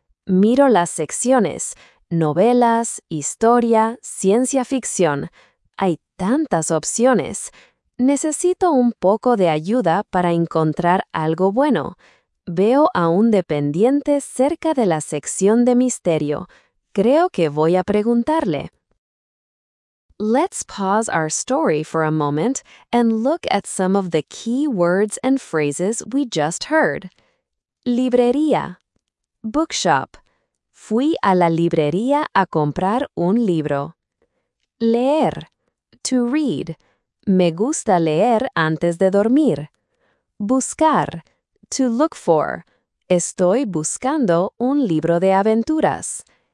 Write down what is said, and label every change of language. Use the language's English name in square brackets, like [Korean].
[Spanish] Miro las secciones, novelas, historia, ciencia ficción. Hay tantas opciones. Necesito un poco de ayuda para encontrar algo bueno. Veo a un dependiente cerca de la sección de misterio. Creo que voy a preguntarle. [English] Let's pause our story for a moment and look at some of the key words and phrases we just heard. [Spanish] Librería. [English] Bookshop. [Spanish] Fui a la librería a comprar un libro. Leer. [English] To read. [Spanish] Me gusta leer antes de dormir. Buscar. [English] To look for. [Spanish] Estoy buscando un libro de aventuras.